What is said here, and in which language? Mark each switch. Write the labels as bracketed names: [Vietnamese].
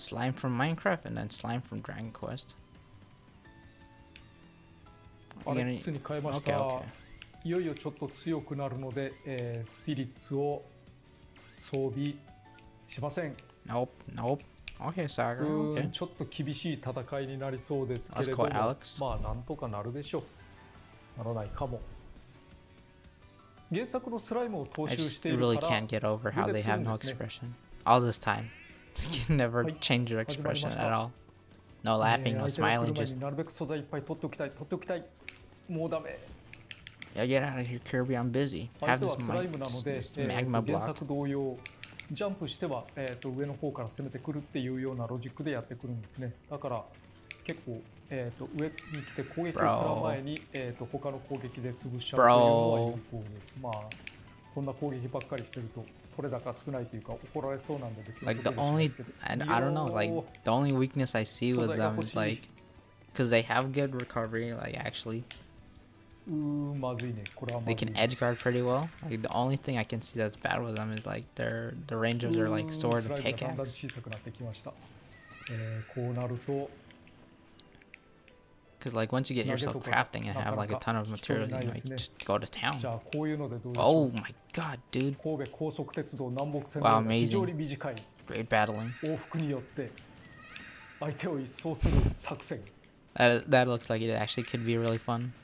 [English] Slime from Minecraft and then slime from Dragon Quest. [Japanese] あれ普通に変えました。 [English] Okay, okay. [Japanese] いよいよちょっと強くなるので、スピリッツを装備しません。 [English] Nope, nope. Okay, Sagar. [Japanese] ちょっと厳しい戦いになりそうですけれども、 [English] Alex. [Japanese] まあなんとかなるでしょう。ならないかも。原作のスライムを踏襲しているから。 [English] I really can't get over how they have no expression all this time. You can never change your expression at all. No laughing, no smiling. Just. [Japanese] なるべく素材いっぱい取っておきたい、取っておきたい。もうダメ。 [English] Yeah, get out of here, Kirby. I'm busy. Have this, this magma block. [Japanese] 原作同様、ジャンプしては、上の方から攻めてくるっていうようなロジックでやってくるんですね。だから、結構、上に来て攻撃を食らう前に、他の攻撃で潰しちゃうというのは有効です。まあ、こんな攻撃ばっかりしてると、取れ高少ないというか怒られそうなんで別に。 [English] Like the only, and I don't know, like the only weakness I see with them is like, because they have good recovery, like actually. [Japanese] まずいね。これはまずい。 [English] They can edge guard pretty well. Like the only thing I can see that's bad with them is like their the range of their like sword and pickaxe. [Japanese] だんだん小さくなってきました。こうなると。 [English] Because like once you get yourself crafting and have like a ton of material, you might just go to town. [Japanese] じゃあこういうのでどうでしょう? [English] Oh my god, dude! [Japanese] 神戸高速鉄道南北線の非常に短い。 [English] Great battling. [Japanese] 往復によって相手を一掃する作戦。 [English] That looks like it actually could be really fun.